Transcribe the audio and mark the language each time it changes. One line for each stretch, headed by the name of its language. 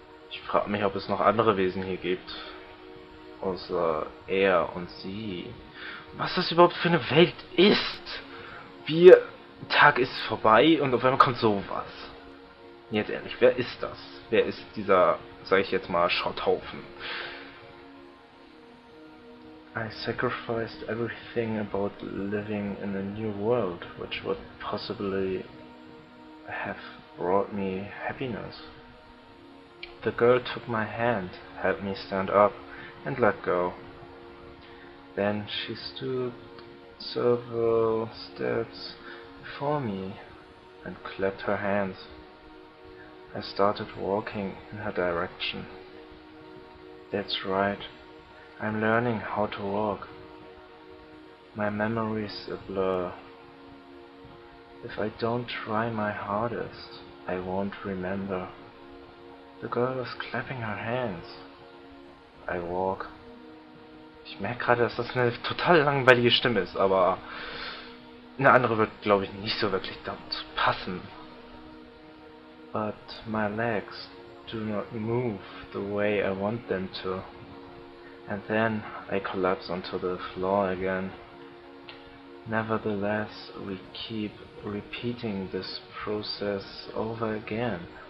German: Ich frage mich, ob es noch andere Wesen hier gibt. Außer und sie. Was das überhaupt für eine Welt ist? Wir. Tag ist vorbei und auf einmal kommt sowas. Jetzt ehrlich, wer ist das? Wer ist dieser, sag ich jetzt mal, Schrotthaufen?
English: I sacrificed everything about living in a new world, which would possibly have brought me happiness. The girl took my hand, helped me stand up, and let go. Then she stood several steps before me and clapped her hands. I started walking in her direction. That's right. I'm learning how to walk. My memory's a blur. If I don't try my hardest, I won't remember. The girl is clapping her hands. I walk.
German: Ich merke gerade, dass das eine total langweilige Stimme ist, aber eine andere wird, glaube ich, nicht so wirklich dazu passen.
English: But my legs do not move the way I want them to. And then I collapse onto the floor again. Nevertheless, we keep repeating this process over again.